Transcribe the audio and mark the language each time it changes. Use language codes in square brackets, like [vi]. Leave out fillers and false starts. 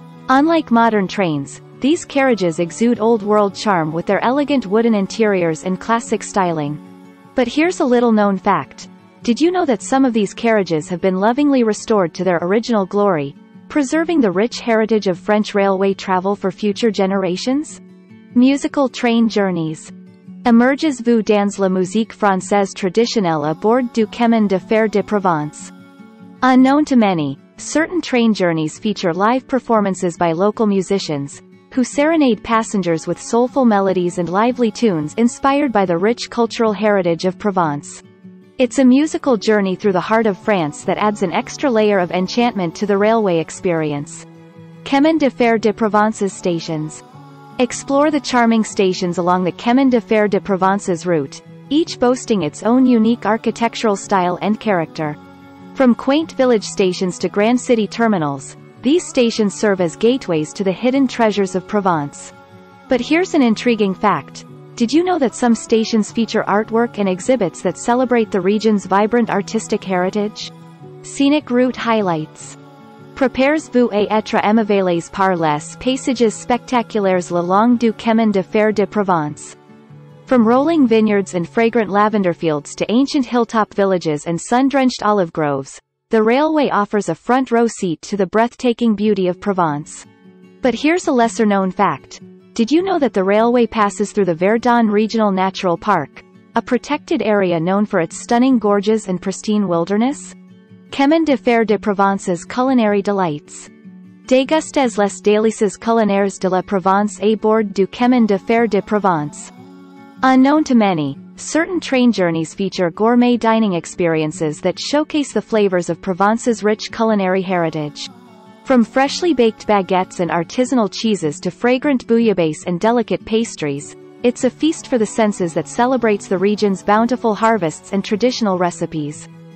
[en] Unlike modern trains, these carriages exude old-world charm with their elegant wooden interiors and classic styling. But here's a little-known fact. Did you know that some of these carriages have been lovingly restored to their original glory, preserving the rich heritage of French railway travel for future generations? Musical train journeys. [fr] Emerges-vous dans la musique française traditionnelle à bord du Chemin de Fer de Provence? [en] Unknown to many, certain train journeys feature live performances by local musicians, who serenade passengers with soulful melodies and lively tunes inspired by the rich cultural heritage of Provence. It's a musical journey through the heart of France that adds an extra layer of enchantment to the railway experience. Chemin de Fer de Provence's stations. Explore the charming stations along the Chemin de Fer de Provence's route, each boasting its own unique architectural style and character. From quaint village stations to grand city terminals, these stations serve as gateways to the hidden treasures of Provence. But here's an intriguing fact. Did you know that some stations feature artwork and exhibits that celebrate the region's vibrant artistic heritage? Scenic route highlights. [fr] Prepares-vous à être émerveillés par les paysages spectaculaires le long du Chemin de Fer de Provence. [en] From rolling vineyards and fragrant lavender fields to ancient hilltop villages and sun-drenched olive groves, the railway offers a front-row seat to the breathtaking beauty of Provence. But here's a lesser-known fact. Did you know that the railway passes through the Verdon Regional Natural Park, a protected area known for its stunning gorges and pristine wilderness? Chemin de Fer de Provence's culinary delights. [fr] Dégustez les délices culinaires de la Provence à bord du Chemin de Fer de Provence. [en] Unknown to many, certain train journeys feature gourmet dining experiences that showcase the flavors of Provence's rich culinary heritage. From freshly baked baguettes and artisanal cheeses to fragrant bouillabaisse and delicate pastries, it's a feast for the senses that celebrates the region's bountiful harvests and traditional recipes.